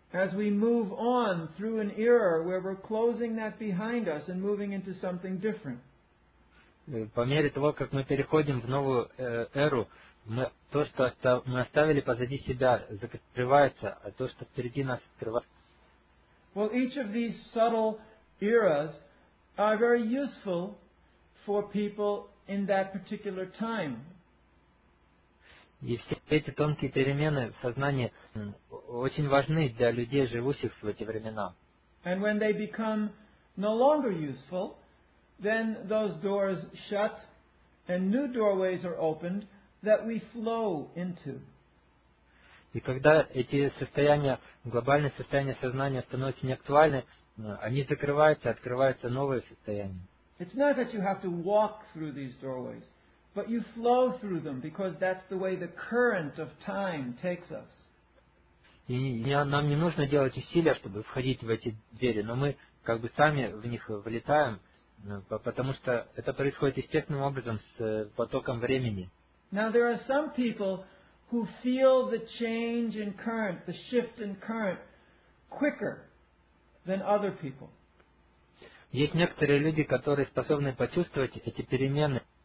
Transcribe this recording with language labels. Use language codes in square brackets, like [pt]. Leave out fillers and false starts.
[en] As we move on through an era where we're closing that behind us and moving into something different. [ru] По мере того, как мы переходим в новую эру, мы, то, что мы оставили позади себя, закрывается, а то, что впереди нас, открывается. [en] Well, each of these subtle eras are very useful for people in that particular time. [ru] И все эти тонкие перемены в сознании очень важны для людей, живущих в эти времена. [en] And when they become no longer useful, then those doors shut and new doorways are opened that we flow into. [ru] И когда эти состояния, глобальные состояния сознания становятся неактуальны, они закрываются, открываются новые состояния. [en] It's not that you have to walk through these doorways, but you flow through them because that's the way the current of time takes us. [ru] И нам не нужно делать усилия, чтобы входить в эти двери, но мы как бы сами в них влетаем, потому что это происходит естественным образом с потоком времени. [en] Now there are some people who feel the change in current, the shift in current, quicker than other people. [ru] Есть некоторые люди, которые способны почувствовать эти перемены.